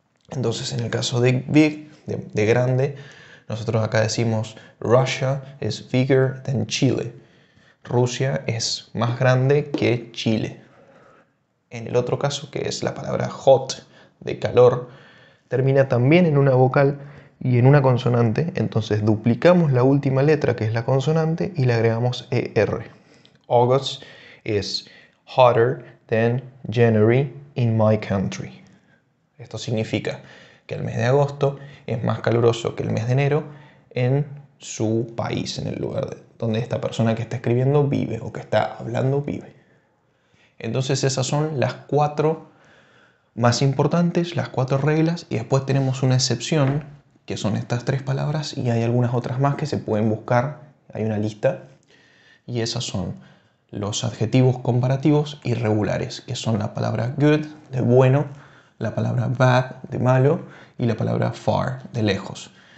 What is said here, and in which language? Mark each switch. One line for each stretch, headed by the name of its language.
Spanish: Entonces, en el caso de big, de grande, nosotros acá decimos
English: Russia is bigger than Chile.
Spanish: Rusia es más grande que Chile. En el otro caso, que es la palabra hot, de calor, termina también en una vocal y en una consonante. Entonces duplicamos la última letra, que es la consonante, y le agregamos ER.
English: August is hotter than January in my country.
Spanish: Esto significa que el mes de agosto es más caluroso que el mes de enero en su país, en el lugar donde esta persona que está escribiendo vive o que está hablando vive. Entonces esas son las cuatro más importantes, las cuatro reglas, y después tenemos una excepción, que son estas tres palabras, y hay algunas otras más que se pueden buscar, hay una lista, y esas son los adjetivos comparativos irregulares, que son la palabra good, de bueno, la palabra bad, de malo, y la palabra far, de lejos.